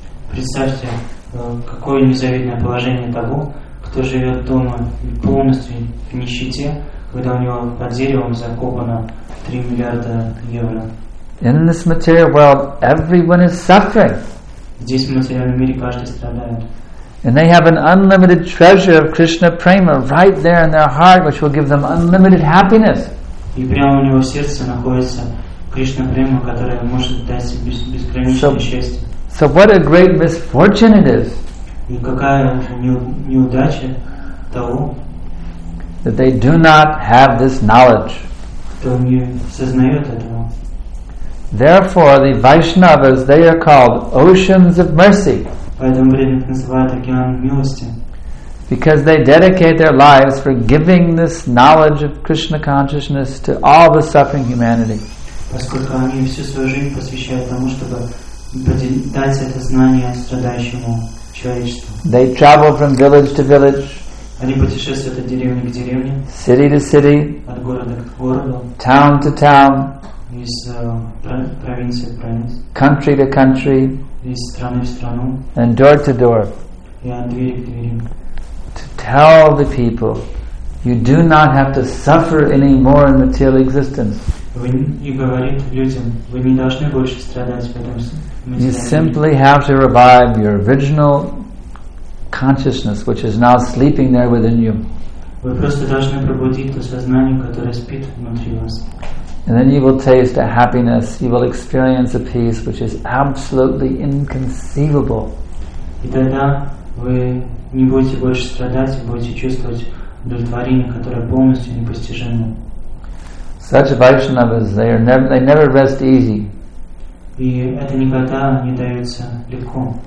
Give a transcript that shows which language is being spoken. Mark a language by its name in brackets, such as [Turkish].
[Russian] Представьте, какое незавидное положение того, кто живет дома полностью в нищете, когда у него под деревом закопано 3 миллиарда евро. [English] In this material world, everyone is suffering. [Russian] Здесь, в материальном мире, каждый страдает. [English] And they have an unlimited treasure of Krishna Prema right there in their heart, which will give them unlimited happiness. [Russian] И прямо у него в сердце находится Кришна Према, которая может дать себе безграничное счастье. [English] So what a great misfortune it is. [Russian] И какая неудача того, [English] that they do not have this knowledge. [Russian] Кто не сознает этого. [English] Therefore, the Vaishnavas, they are called oceans of mercy. [Russian] Поэтому преданных называют океан милости. [English] Because they dedicate their lives for giving this knowledge of Krishna consciousness to all the suffering humanity. [Russian] Поскольку они всю свою жизнь посвящают тому, чтобы дать это знание страдающему человечеству. [English] They travel from village to village. [Russian] Они путешествуют от деревни к деревне. [English] City to city. [Russian] От города к городу. [English] Town to town. [Russian] Из провинции в провинцию. [English] Country to country. [Russian] Из страны в страну. [English] And door to door. [Russian] Yeah, двери к двери. [English] To tell the people, you do not have to suffer anymore in material existence. [Russian] И говорит людям, вы не должны больше страдать в этом материале. [English] You simply have to revive your original consciousness, which is now sleeping there within you. [Russian] Вы просто должны пробудить то сознание, которое спит внутри вас. [English] And then you will taste a happiness, you will experience a peace which is absolutely inconceivable. [Russian] И тогда вы не будете больше страдать, вы будете чувствовать удовлетворение, которое полностью непостижимо. [English] Such Vaishnavas, they never rest easy. [Russian] И это никогда не дается легко.